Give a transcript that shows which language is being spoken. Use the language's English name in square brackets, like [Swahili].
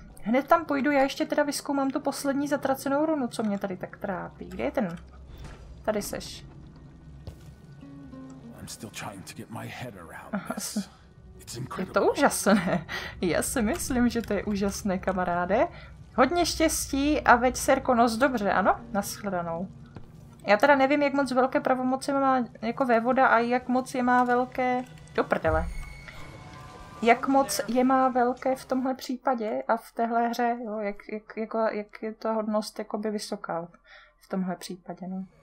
[Czech] Hned tam půjdu, já ještě teda vyzkoumám tu poslední zatracenou runu, co mě tady tak trápí. Kde je ten? Tady seš. [English] I'm still trying to get my head around this. It's incredible. [Czech] Je to úžasné. Já si myslím, že to je úžasné, kamaráde. Hodně štěstí a veď serko nos dobře, ano? Naschledanou. Já teda nevím, jak moc velké pravomoci má jako vévoda a jak moc je má velké... Do prdele. Jak moc je má velké v tomhle případě a v téhle hře, jo, jak je ta hodnost jakoby vysoká v tomhle případě, no.